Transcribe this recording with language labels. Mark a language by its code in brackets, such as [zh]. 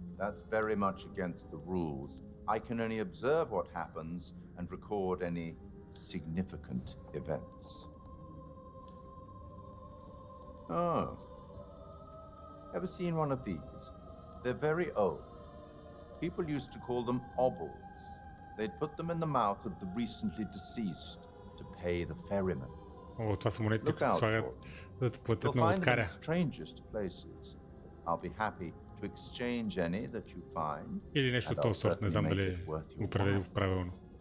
[en] That's very much against the rules. I can only observe what happens and record any significant events. Oh. Ever seen one of these? They're very old. People used to call them obols. They'd put them in the mouth of the recently deceased to pay the ferryman. [bg] Oh, това са монетите, които слагат, за да платят на лодкаря. [en] You'll find them in strangest places. I'll be happy to exchange any that you find. [bg] Или нещо от този сорт, не знам дали определено правилно.